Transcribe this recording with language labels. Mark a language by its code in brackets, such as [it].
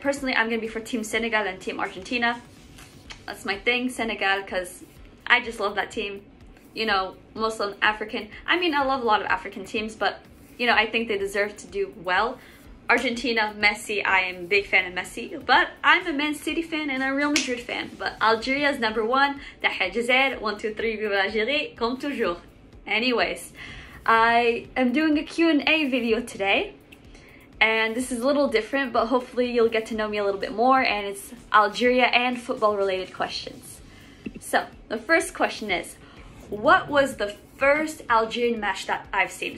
[en] Personally, I'm going to be for Team Senegal and Team Argentina. That's my thing, Senegal, because I just love that team. You know, Muslim, African. I mean, I love a lot of African teams, but, you know, I think they deserve to do well. Argentina, Messi, I am a big fan of Messi, but I'm a Man City fan and a Real Madrid fan. But Algeria is number one. [ar] Tahia Jazair, [fr] 1, 2, 3, vive l'Algérie, comme toujours. [en] Anyways, I am doing a Q&A video today. And this is a little different, but hopefully you'll get to know me a little bit more, and it's Algeria and football related questions. So the first question is, what was the first Algerian match that I've seen?